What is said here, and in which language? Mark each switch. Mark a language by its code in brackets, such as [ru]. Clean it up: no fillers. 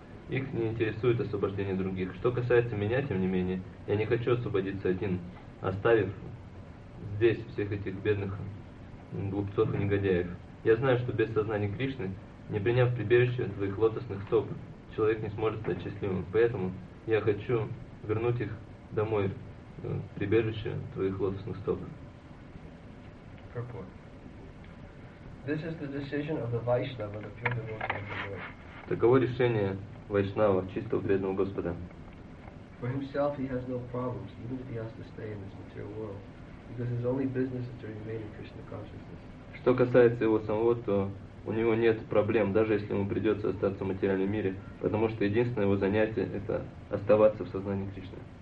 [ru] Их не интересует освобождение других. Что касается меня, тем не менее, я не хочу освободиться один, оставив здесь всех этих бедных глупцов и негодяев. Я знаю, что без сознания Кришны, не приняв прибежище от твоих лотосных стоп, человек не сможет стать счастливым. Поэтому я хочу вернуть их домой, в прибежище от твоих лотосных стоп. [en] This is the decision of the Vaishnava, the pure devotee of the Lord. [ru] Таково решение Вайшнава, чистого преданного Господа. [en] For himself he has no problems, even if he has to stay in this material world, because his only business is to remain in Krishna consciousness. [ru] Что касается его самого, то у него нет проблем, даже если ему придется остаться в материальном мире, потому что единственное его занятие – это оставаться в сознании Кришны.